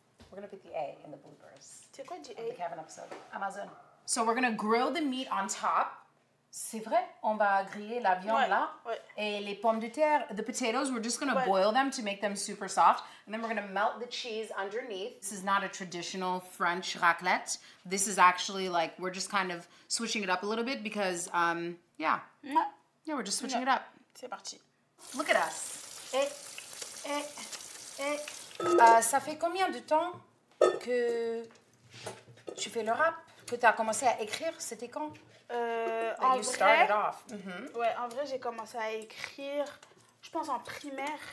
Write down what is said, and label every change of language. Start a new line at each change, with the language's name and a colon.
English: We're going to put the A in the bloopers.
French: C'est quoi, du A?
English: On the Kevin episode. Amazon. So we're gonna grill the meat on top.
French: C'est vrai, on va griller la viande là. Ouais. Et les pommes de terre,
English: the potatoes, we're just gonna boil them to make them super soft. And then we're gonna melt the cheese underneath. This is not a traditional French raclette. This is actually like, we're just kind of switching it up a little bit because, yeah, we're just switching it up.
French: C'est parti.
English: Look at us.
French: Ça fait combien de temps que tu fais le rap? Que tu as commencé à écrire, c'était quand? En vrai, j'ai commencé à écrire, je pense, en primaire.